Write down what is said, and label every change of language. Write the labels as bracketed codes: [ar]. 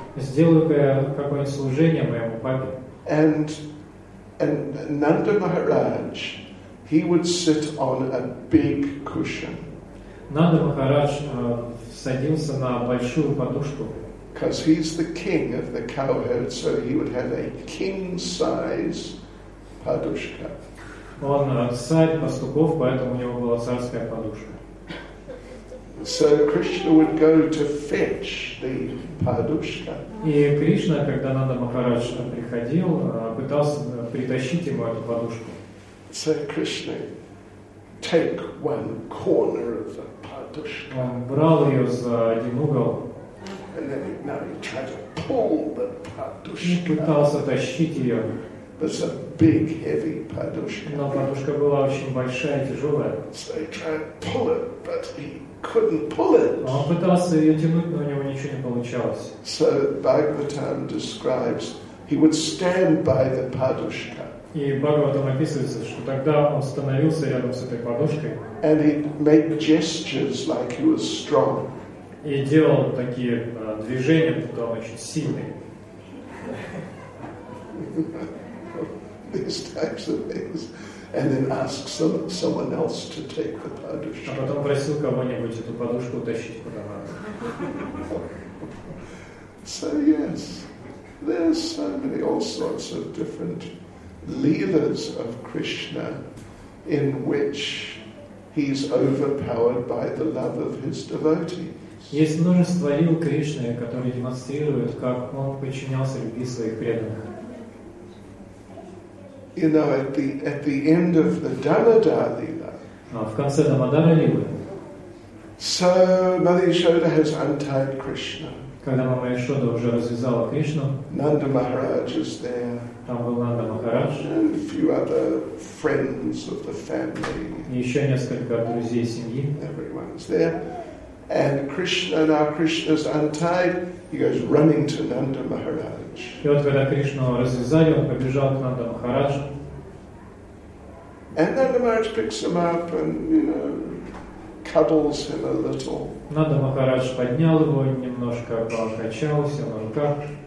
[ru] Сделаю какое-нибудь служение моему папе. [en] And Nanda Maharaj, he would sit on a big cushion. [ru] Нанда Махарадж садился на большую подушку. [en] Because he's the king of the cowherd, so he would have a king-size подушка. [ru] Он царь пастухов, поэтому у него была царская подушка. [en] So Krishna would go to fetch the padushka. [ru] И Кришна, когда Нанда Махарадж приходил, пытался притащить ему эту подушку. [en] So Krishna, take one corner of the padushka. [ru] Он брал ее за один угол. [en] And then he tried to pull the padushka. [ru] И пытался тащить ее. [en] That's a big, heavy padushka. [ru] Но подушка была очень большая, тяжелая. [en] So he tried to pull it, but he couldn't pull it. [ru] Он пытался ее тянуть, но у него ничего не получалось. [en] So Bhagavatam describes, he would stand by the padushka. [ru] И Бхагаватам описывается, что тогда он становился рядом с этой подушкой. [en] And he made gestures like he was strong. [ru] И делал такие движения, будто он очень сильный. [en] These types of things, and then ask someone else to take the padushka. [ru] А потом просил кого-нибудь эту подушку утащить куда-нибудь. [en] So yes, there's so many all sorts of different leelas of Krishna, in which he's overpowered by the love of his devotees. [ru] Есть множество лил Кришны, которые демонстрируют, как он подчинялся любви своих преданных. [en] You know, at the end of the Damodara Leela. [ru] В конце Damodara Leela. [en] So Mother Yashoda has untied Krishna. [ru] Когда Мама Яшода уже развязала Кришну. [en] Nanda Maharaj is there. [ru] Там был Нанда Махарадж. [en] And a few other friends of the family. [ru] И еще несколько друзей семьи. [en] Everyone's there, and Krishna. Now Krishna's untied. He goes running to Nanda Maharaj. [ru] И вот когда Кришну развязали, он побежал к Нанда Махараджу. [en] And Nanda Maharaj picks him up and, you know, cuddles him a little. [ru] Нанда Махарадж поднял его немножко, покачался на руках.